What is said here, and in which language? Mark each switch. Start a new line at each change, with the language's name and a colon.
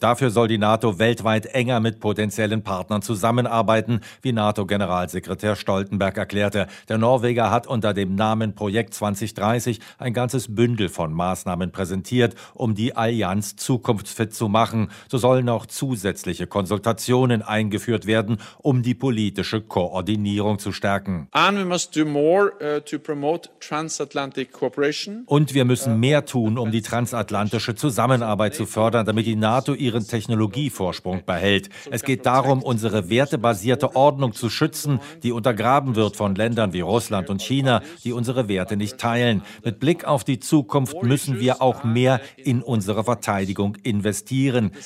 German: Dafür soll die NATO weltweit enger mit potenziellen Partnern zusammenarbeiten, wie NATO-Generalsekretär Stoltenberg erklärte. Der Norweger hat unter dem Namen Projekt 2030 ein ganzes Bündel von Maßnahmen präsentiert, um die Allianz zukunftsfit zu machen. So sollen auch zusätzliche Konsultationen eingeführt werden, um die politische Koordinierung zu stärken.
English: And we must do more, to promote transatlantic cooperation.
German: Und wir müssen mehr tun, um die transatlantische Zusammenarbeit zu fördern, damit die NATO ihren Technologievorsprung behält. Es geht darum, unsere wertebasierte Ordnung zu schützen, die untergraben wird von Ländern wie Russland und China, die unsere Werte nicht teilen. Mit Blick auf die Zukunft müssen wir auch mehr in unsere Verteidigung investieren.